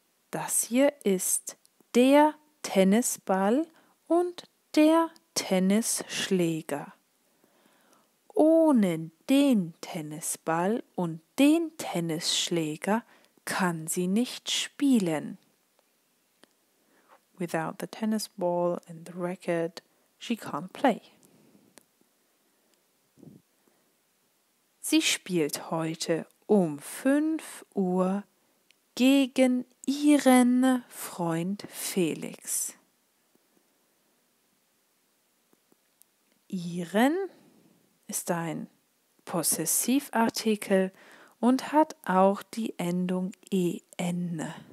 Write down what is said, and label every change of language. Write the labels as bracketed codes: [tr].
[de] Das hier ist der Tennisball und der Tennisschläger. Ohne den Tennisball und den Tennisschläger kann sie nicht spielen. [en] Without the tennis ball and the racket, she can't play. [de] Sie spielt heute um 5 Uhr gegen ihren Freund Felix. Ihren ist ein Possessivartikel und hat auch die Endung en.